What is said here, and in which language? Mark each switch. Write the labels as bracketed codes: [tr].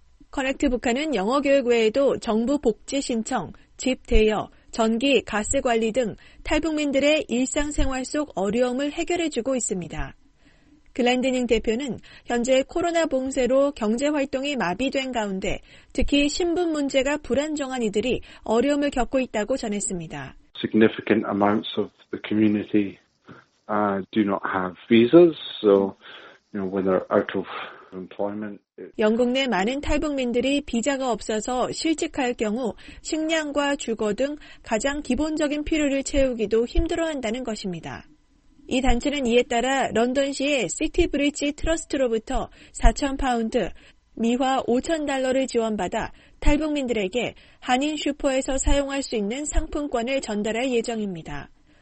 [ko] 커넥트 북한은 영어교육 외에도 정부 복지 신청, 집 대여, 전기, 가스 관리 등 탈북민들의 일상생활 속 어려움을 해결해주고 있습니다. 글랜드닝 대표는 현재 코로나 봉쇄로 경제활동이 마비된 가운데 특히 신분 문제가 불안정한 이들이 어려움을 겪고 있다고 전했습니다. [en] Significant amounts of the community do not have visas, so you know, when they're out of employment. [ko] 영국 내 많은 탈북민들이 비자가 없어서 실직할 경우 식량과 주거 등 가장 기본적인 필요를 채우기도 힘들어한다는 것입니다. 이 단체는 이에 따라 런던시의 시티 브릿지 트러스트로부터 4천 파운드, 미화 5천 달러를 지원받아 탈북민들에게 한인 슈퍼에서 사용할 수 있는 상품권을 전달할 예정입니다.